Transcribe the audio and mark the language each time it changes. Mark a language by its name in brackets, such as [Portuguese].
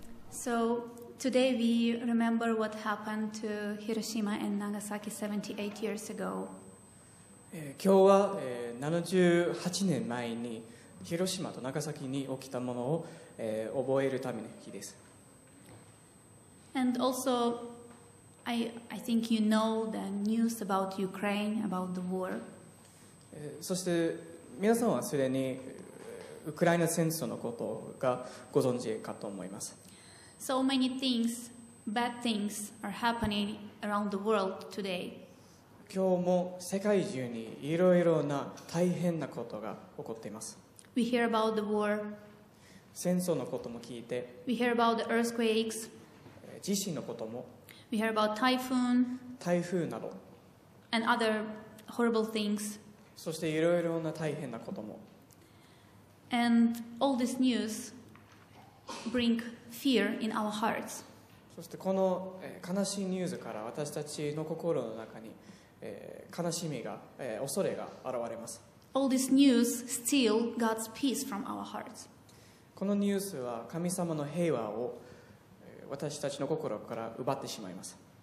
[English] So today we remember what happened to Hiroshima and Nagasaki 78 years ago. [Japanese] 今日は78年前に広島と長崎に起きたものを覚えるための日です。 [English] And also, I think you know the news about Ukraine, about the war. [Japanese] そして皆さんはすでにウクライナ戦争のことがご存知かと思います。 [English] So many things, bad things are happening around the world today. [Japanese] 今日も世界中にいろいろな大変なことが起こっています。 [English] We hear about the war. [Japanese] 戦争のことも聞いて。 [English] We hear about the earthquakes. [Japanese] 地震のことも。 [English] We hear about typhoon. [Japanese] 台風など。 [English] And other horrible things. [Japanese] そしていろいろな大変なことも。 [English] And all this news bring fear in our hearts. [Japanese] そしてこの悲しいニュースから私たちの心の中に悲しみが、恐れが現れます。 [English] All this news steal God's peace from our hearts. [Japanese] このニュースは神様の平和を私たちの心から奪ってしまいます。